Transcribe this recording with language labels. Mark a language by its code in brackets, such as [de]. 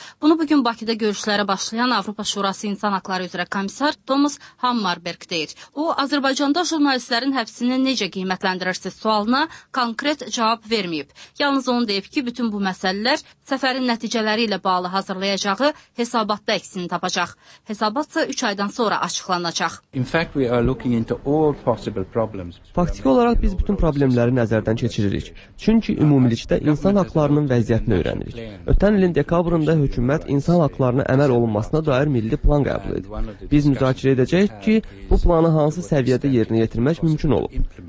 [az] Bunu bugün Bakıda görüşlərə başlayan Avropa Şurası İnsan Haqları üzrə komissar Thomas Hammarberg deyir. O, Azərbaycanda jurnalistlərin həbsini necə qiymətləndirirsiz sualına konkret cavab verməyib. Yalnız onu deyib ki, bütün bu məsələlər səfərin nəticələri ilə bağlı hazırlayacağı hesabatda əksini tapacaq. Hesabatsa 3 aydan sonra açıqlanacaq. [en] In fact, we are looking into all possible problems. [az] Faktiki olaraq biz bütün problemləri nəzərdən keçiririk. Çünki ümumilikdə insan haqlarının vəziyyətini öyrənirik. Ötən ilin dekabrında hökumət insan haqlarına əməl olunmasına dair milli plan qəbul edib. Biz müzakirə edəcəyik ki, bu planı hansı səviyyədə yerinə yetirmək mümkün olub.